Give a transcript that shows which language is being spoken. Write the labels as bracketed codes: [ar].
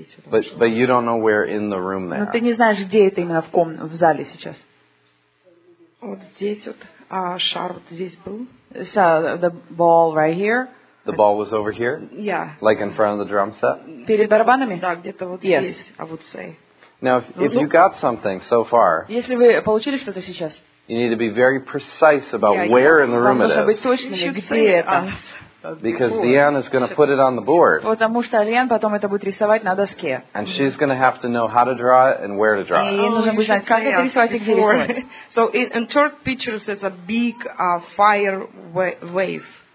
[en] But you don't know where in the room they [ru] are. Но ты не знаешь, где это именно в ком в зале сейчас. Вот здесь вот, а шар вот здесь был. [en] So the ball right here. The ball was over here. Yeah. Like in front of the drum set. [ru] Перед барабанами. Да, где-то вот здесь, [en] I would say. Now, if you got something so far. [ru] Если вы получили что-то сейчас. [en] You need to be very precise about where in the room it is. [ru] Вам нужно быть точными, где это. [en] Because Leanne is going to put it on the board. [ru] Потому что Лен потом это будет рисовать на доске. [en] And she's going to have to know how to draw it and where to draw it. [ru] И нужно будет знать, как это рисовать и где рисовать. [en] So in third picture it's a big fire wave.